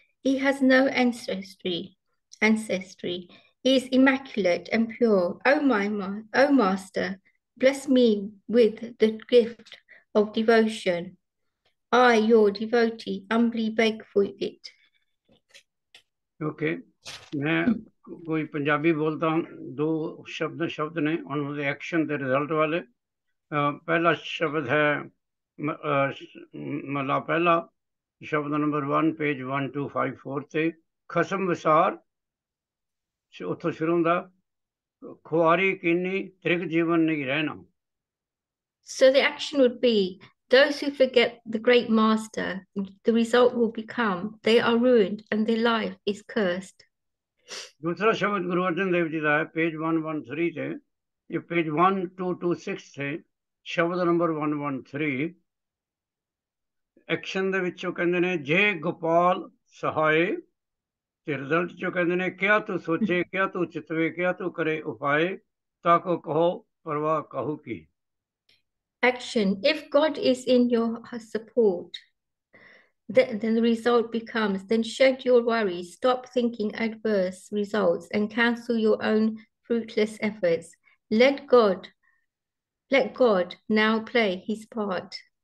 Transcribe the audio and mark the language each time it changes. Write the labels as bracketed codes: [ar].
[en] He has no ancestry. He is immaculate and pure. O master, bless me with the gift of devotion. I, your devotee, humbly beg for it. Okay. [pa] ਮੈਂ ਕੋਈ ਪੰਜਾਬੀ ਬੋਲਦਾ, ਦੋ ਸ਼ਬਦ ਨੇ ਉਹਨਾਂ ਦੇ action ਦੇ ਰਿਜ਼ਲਟ ਵਾਲੇ। ਪਹਿਲਾ ਸ਼ਬਦ ਹੈ ਮਲਾ, ਪਹਿਲਾ ਸ਼ਬਦ ਨੰਬਰ 1, ਪੇਜ 1254 'ਤੇ, ਖਸਮ ਵਿਸਾਰ ਉੱਥੋਂ ਸ਼ੁਰੂ ਹੁੰਦਾ, ਖੁਆਰੀ ਕਿੰਨੀ ਤ੍ਰਿਗ ਜੀਵਨ ਨਹੀਂ ਰਹਿਣਾ। [en] So the action would be, those who forget the great master, the result will become, they are ruined and their life is cursed. [pa] ਦੂਸਰਾ ਸ਼ਬਦ ਗੁਰੂ ਅਰਜਨ ਦੇਵ ਜੀ ਦਾ ਹੈ ਪੇਜ 113 'ਤੇ, ਇਹ ਪੇਜ 1226 'ਤੇ, ਸ਼ਬਦ ਨੰਬਰ 113 ਐਕਸ਼ਨ ਦੇ ਵਿੱਚੋਂ ਕਹਿੰਦੇ ਨੇ ਜੇ ਗੋਪਾਲ ਸਹਾਏ, ਅਤੇ ਰਿਜ਼ਲਟ 'ਚੋਂ ਕਹਿੰਦੇ ਨੇ ਕਿਆ ਤੂੰ ਸੋਚੇ, ਕਿਆ ਤੂੰ ਚਿਤਵੇ, ਕਿਆ ਤੂੰ ਕਰੇ ਉਪਾਏ, ਤਾਂ ਕੋ ਕਹੋ ਪਰਵਾਹ ਕਹੂ ਕੀ। [en] Action. If God is in your support, then the result becomes, then shed your worries, stop thinking adverse results and cancel your own fruitless efforts. Let God now play his part.